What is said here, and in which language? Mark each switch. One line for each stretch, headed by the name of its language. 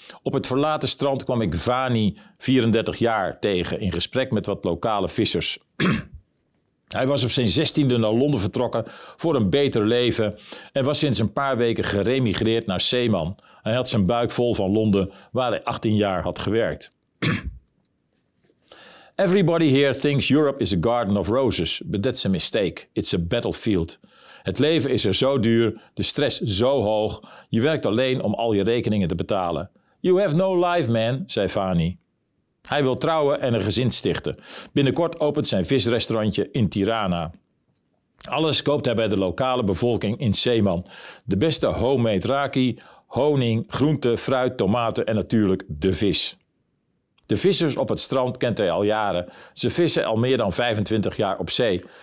Dutch: Op het verlaten strand kwam ik Vani, 34 jaar, tegen in gesprek met wat lokale vissers. Hij was op zijn 16e naar Londen vertrokken voor een beter leven en was sinds een paar weken geremigreerd naar Zeeman. Hij had zijn buik vol van Londen, waar hij 18 jaar had gewerkt.
English: Everybody here thinks Europe is a garden of roses, but that's a mistake. It's a battlefield.
Dutch: Het leven is er zo duur, de stress zo hoog. Je werkt alleen om al je rekeningen te betalen.
English: You have no life, man,
Dutch: zei
English: Vani.
Dutch: Hij wil trouwen en een gezin stichten. Binnenkort opent zijn visrestaurantje in Tirana. Alles koopt hij bij de lokale bevolking in Zeeman. De beste homemade raki, honing, groente, fruit, tomaten en natuurlijk de vis. De vissers op het strand kent hij al jaren. Ze vissen al meer dan 25 jaar op zee.